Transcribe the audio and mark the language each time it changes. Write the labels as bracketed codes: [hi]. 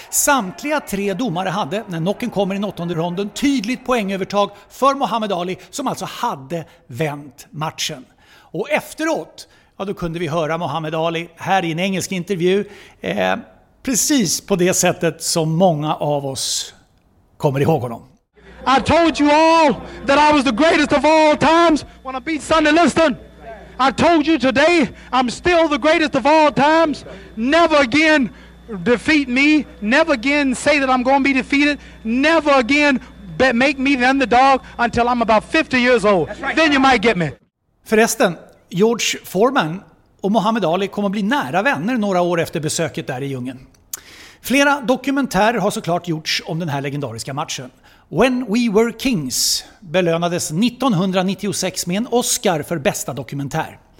[sv] Samtliga tre domare hade, när knocken kommer i åttonde ronden, tydligt poängövertag för Muhammad Ali som alltså hade vänt matchen. Och efteråt, ja, då kunde vi höra Muhammad Ali här i en engelsk intervju precis på det sättet som många av oss kommer ihåg honom. [en] I told you all that I was the greatest of all times when I beat Sonny Liston. I told you today, I'm still the greatest of all times. Never again defeat me. Never again say that I'm going to be defeated. Never again make me the underdog until I'm about 50 years old. Right. Then you might get me. [sv] Förresten, George Foreman och Muhammad Ali kommer att bli nära vänner några år efter besöket där i djungeln. Flera dokumentärer har såklart gjorts om den här legendariska matchen. When We Were Kings belönades 1996 med en Oscar för bästa dokumentär.